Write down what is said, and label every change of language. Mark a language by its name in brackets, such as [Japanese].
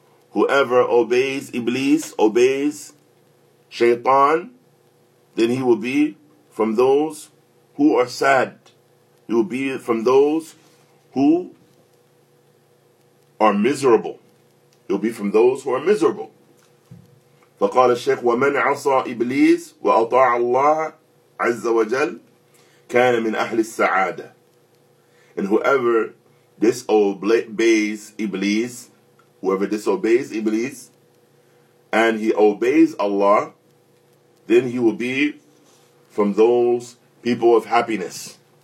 [English] Whoever obeys Iblis, obeys Shaytan, then he will be from those who are sad. He will be from those who are miserable. He will be from those who are miserable. [Arabic] فقال الشيخ ومن عصى إبليس وأطاع الله عز وجل كان من أهل السعادة. [English] And whoever disobeys Iblis, whoever disobeys Iblis, and he obeys Allah, then he will be from those people of happiness.